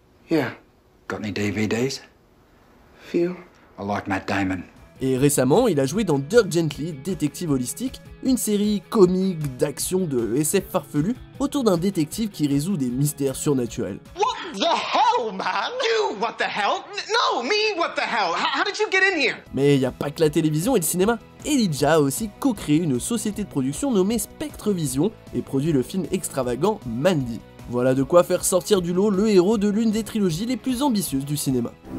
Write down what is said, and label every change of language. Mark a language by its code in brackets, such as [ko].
[en] Yeah. Got any DVDs? Few. I like Matt Damon. [fr] Et récemment, il a joué dans Dirk Gently, détective holistique, une série comique d'action de SF farfelu autour d'un détective qui résout des mystères surnaturels. [en] What the hell, man? You, what the hell? No, me, what the hell? How did you get in here? [fr] Mais y a pas que la télévision et le cinéma. Elijah a aussi co-créé une société de production nommée Spectre Vision et produit le film extravagant Mandy. Voilà de quoi faire sortir du lot le héros de l'une des trilogies les plus ambitieuses du cinéma.